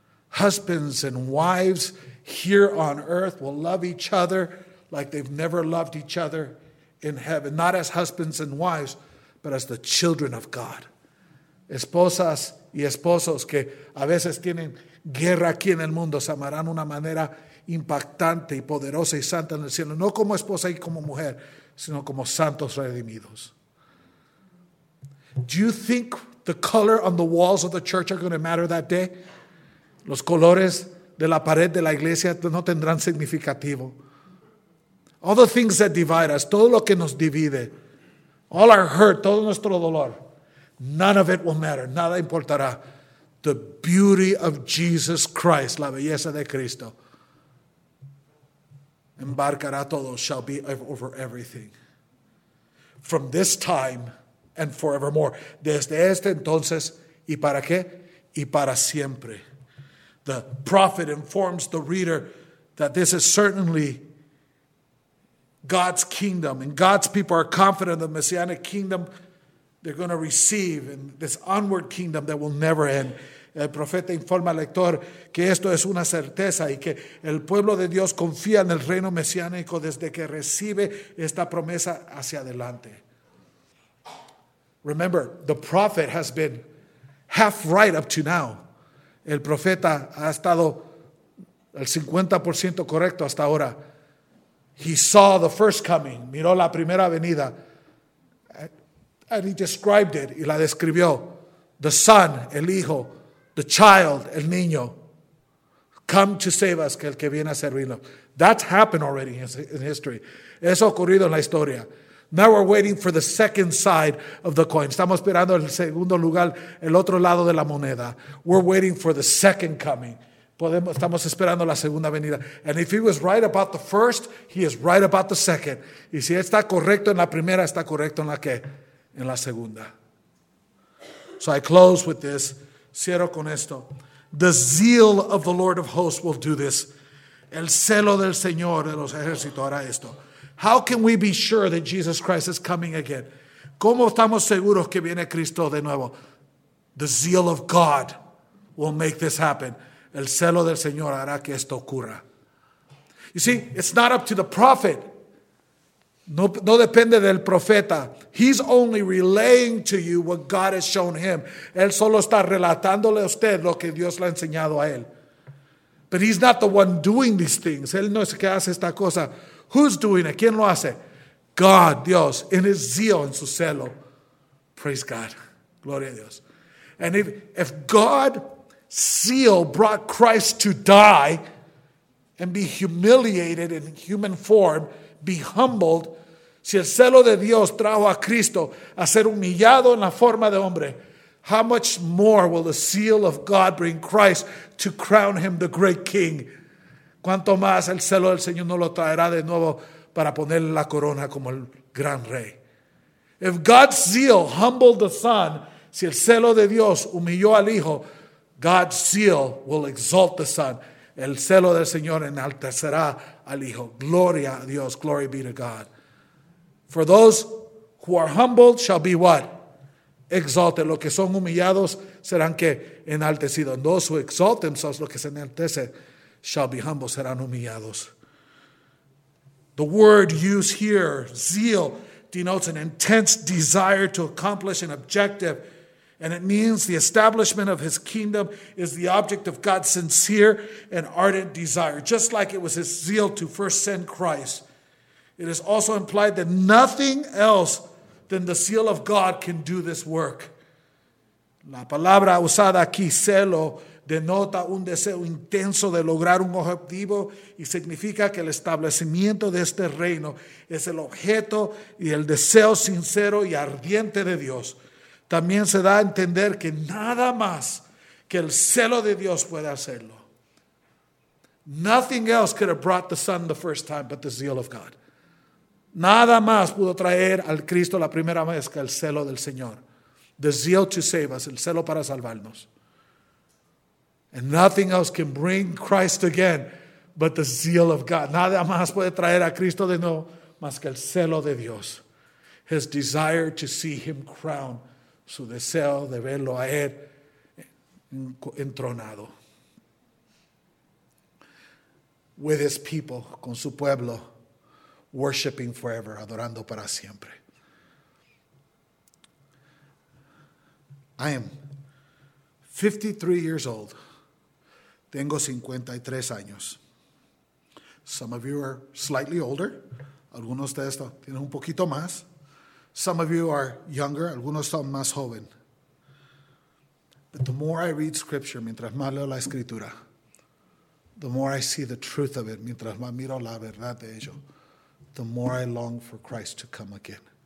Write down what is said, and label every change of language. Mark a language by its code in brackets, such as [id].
[en] Husbands and wives here on earth will love each other like they've never loved each other in heaven. Not as husbands and wives, but as the children of God. [es] Esposas y esposos que a veces tienen guerra aquí en el mundo se amarán de una manera impactante y poderosa y santa en el cielo, no como esposa y como mujer, sino como santos redimidos. [en] Do you think the color on the walls of the church are going to matter that day? [es] Los colores de la pared de la iglesia no tendrán significativo. [en] All the things that divide us, [es] todo lo que nos divide, [en] all our hurt, [es] todo nuestro dolor, [en] none of it will matter, [es] nada importará. [en] The beauty of Jesus Christ, [es] la belleza de Cristo, embarcará todo, [en] shall be over everything. From this time and forevermore, [es] desde este entonces, ¿y para qué? Y para siempre. [en] The prophet informs the reader that this is certainly God's kingdom, and God's people are confident the messianic kingdom they're going to receive, and this onward kingdom that will never end. [es] El profeta informa al lector que esto es una certeza y que el pueblo de Dios confía en el reino mesiánico desde que recibe esta promesa hacia adelante. [en] Remember, the prophet has been half right up to now. [es] El profeta ha estado al 50% correcto hasta ahora. [en] He saw the first coming, [es] miró la primera venida, [en] and he described it, [es] y la describió. [en] The son, [es] el hijo, [en] the child, [es] el niño, [en] come to save us, [es] que el que viene a servirlo. [en] That's happened already in history. [es] Eso ha ocurrido en la historia. [en] Now we're waiting for the second side of the coin. [es] Estamos esperando el segundo lugar, el otro lado de la moneda. [en] We're waiting for the second coming. [es] Estamos esperando la segunda venida. [en] And if he was right about the first, he is right about the second. [es] Y si está correcto en la primera, está correcto en la qué? En la segunda. [en] So I close with this. [es] Cierro con esto. [en] The zeal of the Lord of hosts will do this. [es] El celo del Señor de los ejércitos hará esto. [en] How can we be sure that Jesus Christ is coming again? [es] ¿Cómo estamos seguros que viene Cristo de nuevo? [en] The zeal of God will make this happen. [es] El celo del Señor hará que esto ocurra. [en] You see, it's not up to the prophet. [es] No depende del profeta. [en] He's only relaying to you what God has shown him. [es] Él solo está relatándole a usted lo que Dios le ha enseñado a él. [en] But he's not the one doing these things. [es] Él no es el que hace esta cosa. [en] Who's doing it? [es] ¿Quién lo hace? God, Dios, [en] in his zeal, [es] en su celo. [en] Praise God. [es] Gloria a Dios. [en] And if God's zeal brought Christ to die and be humiliated in human form, be humbled, [es] si el celo de Dios trajo a Cristo a ser humillado en la forma de hombre, [en] how much more will the zeal of God bring Christ to crown him the great king? [es] ¿Cuánto más el celo del Señor no lo traerá de nuevo para ponerle la corona como el gran rey? [en] If God's zeal humbled the Son, [es] si el celo de Dios humilló al Hijo, [en] God's zeal will exalt the Son. [es] El celo del Señor enaltecerá al Hijo. Gloria a Dios. [en] Glory be to God. For those who are humbled shall be what? Exalted. [es] Los que son humillados serán que enaltecidos. [en] And those who exalt themselves, [es] los que se enaltecen, [en] shall be humble, [es] serán humillados. [en] The word used here, zeal, denotes an intense desire to accomplish an objective, and it means the establishment of his kingdom is the object of God's sincere and ardent desire, just like it was his zeal to first send Christ. It is also implied that nothing else than the zeal of God can do this work. [es] La palabra usada aquí, celo, denota un deseo intenso de lograr un objetivo y significa que el establecimiento de este reino es el objeto y el deseo sincero y ardiente de Dios. También se da a entender que nada más que el celo de Dios puede hacerlo. [en] Nothing else could have brought the Son the first time but the zeal of God. [es] Nada más pudo traer al Cristo la primera vez que el celo del Señor. [en] The zeal to save us, [es] el celo para salvarnos. [en] And nothing else can bring Christ again but the zeal of God. [es] Nada más puede traer a Cristo de nuevo más que el celo de Dios. [en] His desire to see him crowned. [es] Su deseo de verlo a él entronado. [en] With his people, [es] con su pueblo, worshiping forever, adorando para siempre. [en] I am 53 years old. [es] Tengo 53 años. [en] Some of you are slightly older. [es] Algunos de estos tienen un poquito más. [en] Some of you are younger. [es] Algunos son más joven. [en] But the more I read Scripture, [es] mientras más leo la Escritura, [en] the more I see the truth of it, [es] mientras más miro la verdad de ello, [en] the more I long for Christ to come again.